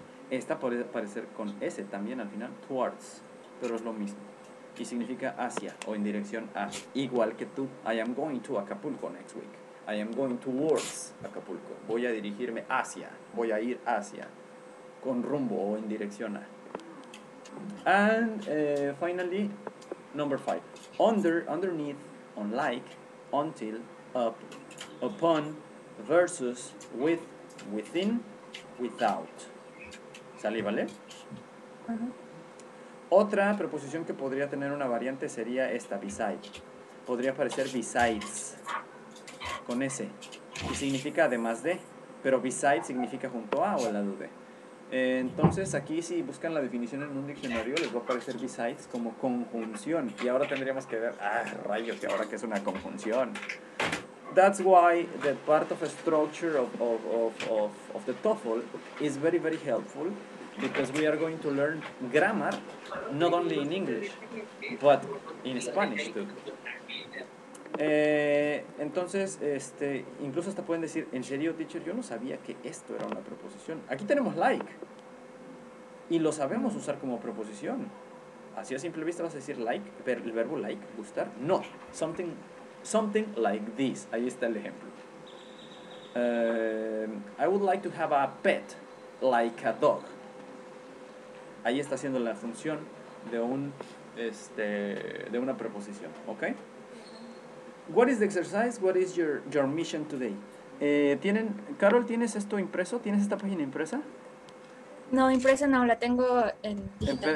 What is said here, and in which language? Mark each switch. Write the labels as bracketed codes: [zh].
[es] Esta puede aparecer con S también al final, towards, pero es lo mismo. Y significa hacia o en dirección a, igual que tú. [en] I am going to Acapulco next week. I am going towards Acapulco. [es] Voy a dirigirme hacia, voy a ir hacia, con rumbo o en dirección a. [en] And finally, number five. Under, underneath, unlike, until, up, upon, versus, with, within, without. [es] ¿Salí, vale? Uh-huh. Otra preposición que podría tener una variante sería esta, beside. Podría aparecer besides, con S. Y significa además de, pero beside significa junto a o al lado de. Entonces, aquí si buscan la definición en un diccionario, les va a aparecer besides como conjunción. Y ahora tendríamos que ver, ¡ah, rayos! ¿Y ahora qué es una conjunción? [en] That's why the part of a structure of the TOEFL is very, very helpful, because we are going to learn grammar not only in English, but in Spanish too. [es] Entonces, incluso hasta pueden decir, en serio, teacher, yo no sabía que esto era una preposición. Aquí tenemos like, y lo sabemos usar como preposición. Así a simple vista vas a decir like, pero el verbo like, gustar, no. [en] Something like this. [es] Ahí está el ejemplo. [en] I would like to have a pet like a dog. [es] Ahí está haciendo la función de un de una preposición, ¿ok? [en] What is the exercise? What is your mission today? [es] ¿Tienen, Carol, tienes esto impreso? ¿Tienes esta página impresa? No, impresa no, la tengo en digital.